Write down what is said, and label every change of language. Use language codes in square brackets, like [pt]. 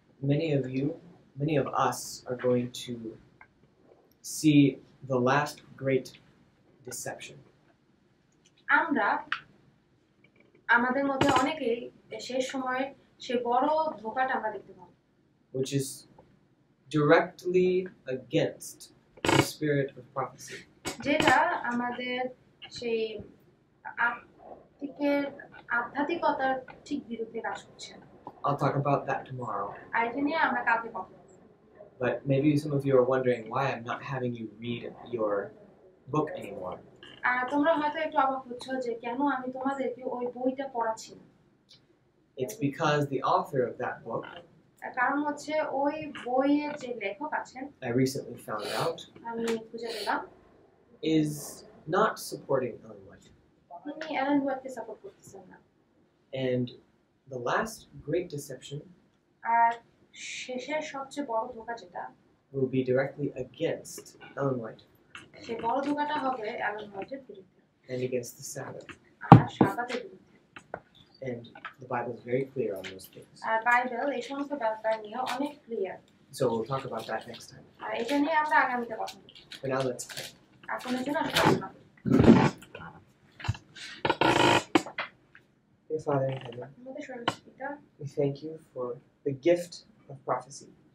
[en] Many of you, many of us are going to see the last great deception. [bn] আমরা আমাদের মধ্যে অনেকেই শেষ সময়ে সেই বড় ধোকাটা আমরা দেখতে পাবো। [en] Which is directly against the spirit of prophecy. [bn] যেটা আমাদের সেই আত্মিকের আধ্যাত্মিকতার ঠিক বিরুদ্ধে কাজ করছে। [en] I'll talk about that tomorrow. [bn] আর এটা নিয়ে আমরা কালকে কথা বলবো। [en] But maybe some of you are wondering why I'm not having you read your book anymore. [bn] তোমরা হয়তো একটু অবাক হচ্ছ যে কেন আমি তোমাদেরকে ওই বইটা পড়াচ্ছি না। [en] It's because the author of that book. [bn] কারণ হচ্ছে ওই বইয়ের যে লেখক আছেন। [en] I recently found out. [bn] আমি খুঁজে পেলাম। [en] Is not supporting Ellen White. [bn] তিনি অ্যালেন হোয়াইটকে সাপোর্ট করতেছেন না। [en] And the last great deception. [bn] আর শেষের সবচেয়ে বড় ধোঁকা যেটা। [en] Will be directly against Ellen White. [bn] সে বড় ধোঁকাটা হবে অ্যালেন হোয়াইটের বিরুদ্ধে। [en] And against the Sabbath. [bn] আর সাবাতের বিরুদ্ধে। [en] And the Bible is very clear on those things. [bn] আর Bible এই সমস্ত ব্যাপার নিয়ে অনেক clear. [en] So we'll talk about that next time. [bn] আর এটা নিয়ে আমরা আগামীতে কথা বলবো। [en] For now let's pray. [bn] এখন এর জন্য আমরা প্রার্থনা করি। [en] Dear Father in heaven, we thank you for the gift of prophecy.